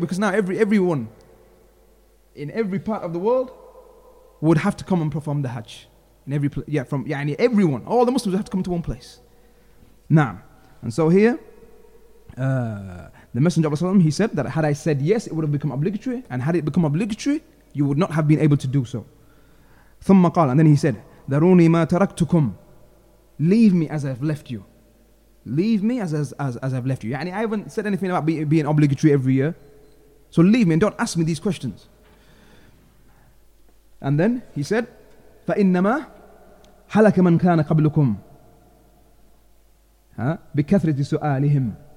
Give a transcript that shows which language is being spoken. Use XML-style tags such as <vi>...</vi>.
<en>Because now everyone in every part of the world would have to come and perform the Hajj. In every place, yeah, from yeah, everyone, all the Muslims have to come to one place. Naam. And so here, the Messenger of Allah, he said that had I said yes, it would have become obligatory, and had it become obligatory, you would not have been able to do so.</en> <ar>ثم قال,</ar> <en>and then he said,</en> <ar>دروني ما تركتكم.</ar> <en>Leave me as I've left you. Leave me as I've left you. Yani, I haven't said anything about being obligatory every year. So leave me and don't ask me these questions. And then he said,</en> <ar>فَإِنَّمَا حَلَكَ مَنْ كَانَ قَبْلُكُمْ بِكَثْرَةِ سُؤَالِهِمْ.</ar>